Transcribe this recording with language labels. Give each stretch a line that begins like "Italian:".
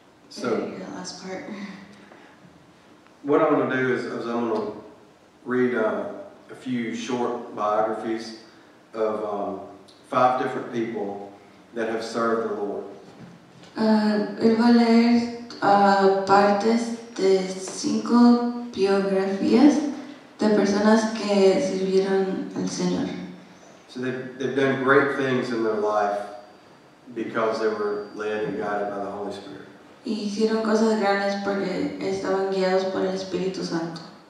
English: So your last part. What I'm going to do is I'm going to read a few short biographies of five different people that have served the Lord.
Spanish: Él va a leer partes de cinco biografías de personas que sirvieron al Señor.
English: So they've done great things in their life because they were led and guided by the Holy Spirit.
Spanish: Hicieron cosas grandes porque estaban guiados por el Espíritu Santo.